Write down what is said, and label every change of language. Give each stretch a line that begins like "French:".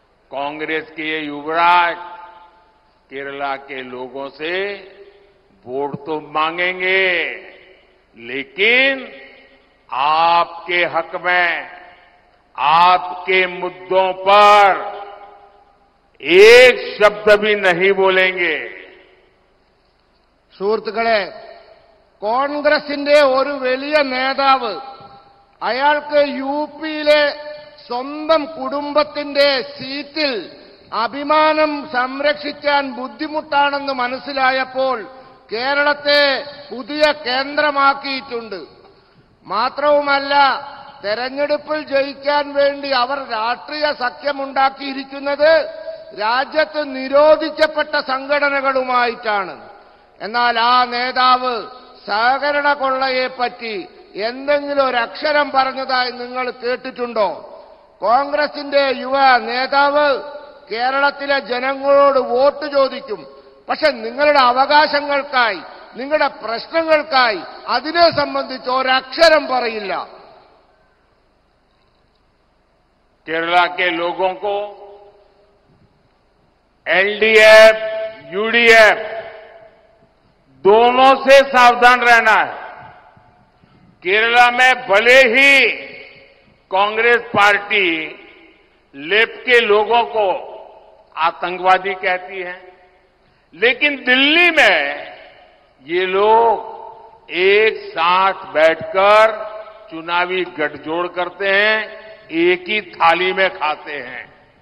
Hindi: कांग्रेस के ये युवराज केरला के लोगों से वोट तो मांगेंगे लेकिन आपके हक में आपके मुद्दों पर एक शब्द भी नहीं बोलेंगे।
Malayalam: സുഹൃത്തുക്കളെ, കോൺഗ്രസിന്റെ ഒരു വലിയ നേതാവ് അയാൾക്ക് യു പിയിലെ സ്വന്തം കുടുംബത്തിന്റെ സീറ്റിൽ അഭിമാനം സംരക്ഷിക്കാൻ ബുദ്ധിമുട്ടാണെന്ന് മനസ്സിലായപ്പോൾ കേരളത്തെ പുതിയ കേന്ദ്രമാക്കിയിട്ടുണ്ട്. മാത്രവുമല്ല, തെരഞ്ഞെടുപ്പിൽ ജയിക്കാൻ വേണ്ടി അവർ രാഷ്ട്രീയ സഖ്യമുണ്ടാക്കിയിരിക്കുന്നത് രാജ്യത്ത് നിരോധിക്കപ്പെട്ട സംഘടനകളുമായിട്ടാണ്. എന്നാൽ ആ നേതാവ് സഹകരണ കൊള്ളയെപ്പറ്റി എന്തെങ്കിലും ഒരു അക്ഷരം പറഞ്ഞതായി നിങ്ങൾ കേട്ടിട്ടുണ്ടോ? കോൺഗ്രസിന്റെ യുവ നേതാവ് കേരളത്തിലെ ജനങ്ങളോട് വോട്ട് ചോദിക്കും, പക്ഷെ നിങ്ങളുടെ അവകാശങ്ങൾക്കായി നിങ്ങളുടെ പ്രശ്നങ്ങൾക്കായി അതിനെ സംബന്ധിച്ച് ഒരക്ഷരം പറയില്ല. കേരളത്തിലെ ലോകങ്ങൾക്കോ എൽഡിഎഫ് യുഡിഎഫ്
Hindi: दोनों से सावधान रहना है। केरला में भले ही कांग्रेस पार्टी लेफ्ट के लोगों को आतंकवादी कहती है लेकिन दिल्ली में ये लोग एक साथ बैठकर चुनावी गठजोड़ करते हैं, एक ही थाली में खाते हैं।